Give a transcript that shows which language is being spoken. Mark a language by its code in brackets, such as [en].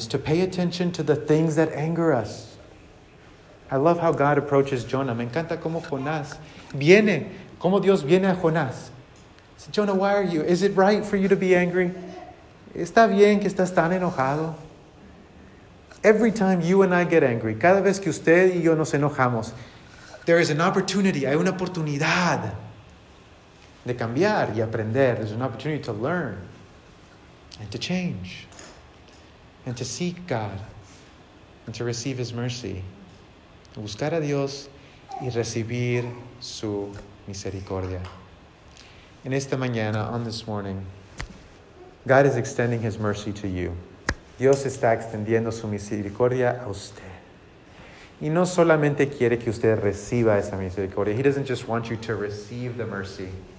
[en] Is to pay attention to the things that anger us. I love how God approaches Jonah. [es] Me encanta cómo Jonás viene, cómo Dios viene a Jonás. [en] Say, Jonah, why are you? Is it right for you to be angry? [es] ¿Está bien que estás tan enojado? [en] Every time you and I get angry, [es] cada vez que usted y yo nos enojamos, [en] there is an opportunity. [es] Hay una oportunidad de cambiar y aprender. [en] There's an opportunity to learn and to change and to seek God and to receive His mercy. [es] Buscar a Dios y recibir su misericordia. En esta mañana, [en] on this morning, God is extending His mercy to you. [es] Dios está extendiendo su misericordia a usted. Y no solamente quiere que usted reciba esa misericordia. [en] He doesn't just want you to receive the mercy.